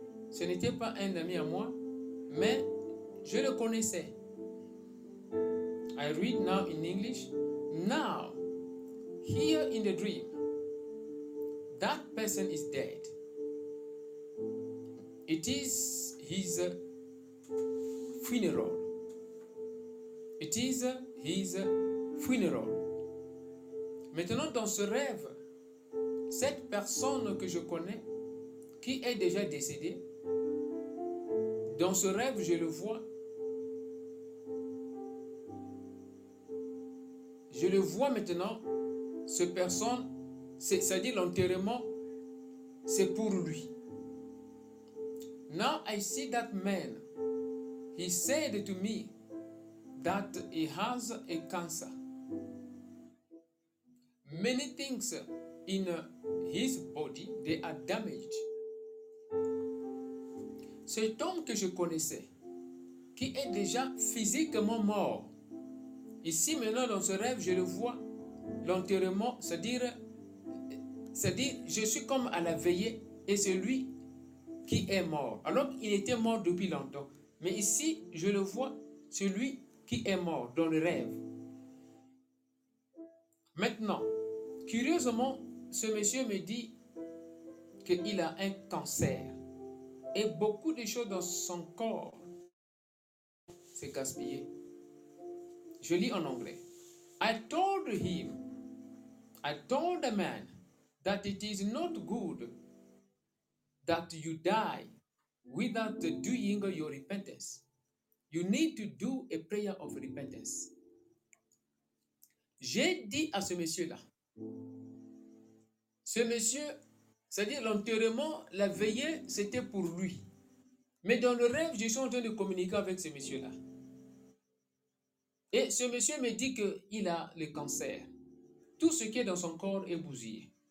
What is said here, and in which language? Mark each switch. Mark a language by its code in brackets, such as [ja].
[fr] Ce n'était pas un ami à moi, mais je le connaissais. [en] I read now in English. Now, here in the dream, that person is dead. It is his funeral. It is his funeral. [fr] Maintenant, dans ce rêve, cette personne que je connais, qui est déjà décédée, dans ce rêve, je le vois. Je le vois maintenant, cette personne, c'est-à-dire l'enterrement, c'est pour lui. [en] Now I see that man. He said to me that he has a cancer. Many things in his body, they are damaged. [fr] Cet homme que je connaissais, qui est déjà physiquement mort, ici maintenant dans ce rêve, je le vois, l'enterrement, c'est-à-dire je suis comme à la veillée et c'est lui qui est mort. Alors il était mort depuis longtemps, mais ici je le vois, celui qui est mort dans le rêve. Maintenant, curieusement, ce monsieur me dit qu'il a un cancer. Et beaucoup de choses dans son corps s'est gaspillé. Je lis en anglais. [en] I told the man that it is not good that you die without doing your repentance. You need to do a prayer of repentance. [fr] J'ai dit à ce monsieur-là, ce monsieur, c'est-à-dire l'enterrement, la veillée, c'était pour lui. Mais dans le rêve, je suis en train de communiquer avec ce monsieur-là. Et ce monsieur me dit qu'il a le cancer. Tout ce qui est dans son corps est bousillé.